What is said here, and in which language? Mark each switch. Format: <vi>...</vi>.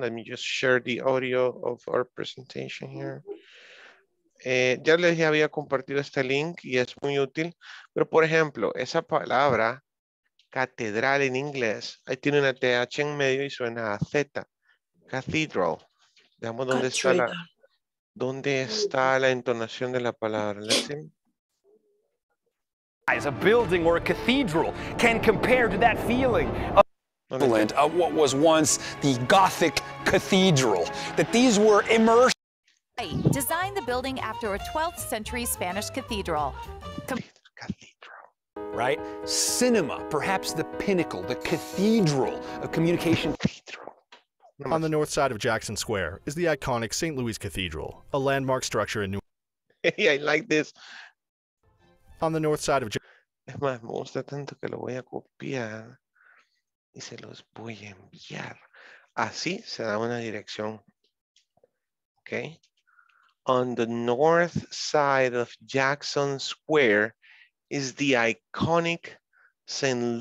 <en>Let me just share the audio of our presentation here.</en> <es>Ya les dije, había compartido este link y es muy útil. Pero, por ejemplo, esa palabra, catedral en inglés, ahí tiene una TH en medio y suena a Z. Cathedral. Veamos dónde está la... ¿Dónde está la entonación de la palabra?</es> <en>As a building or a cathedral can compare to that feeling of what was once the Gothic cathedral, that these were immersed. Design the building after a 12th century Spanish cathedral. Right? Cinema, perhaps the pinnacle, the cathedral of communication. On the north side of Jackson Square is the iconic St. Louis Cathedral, a landmark structure in New York. Yeah, I like this. On the north side of.</en> <es>Es más, me gusta tanto que lo voy a copiar y se los voy a enviar. Así se da una dirección. Okay.</es> <en>On the north side of Jackson Square is the iconic St.</en>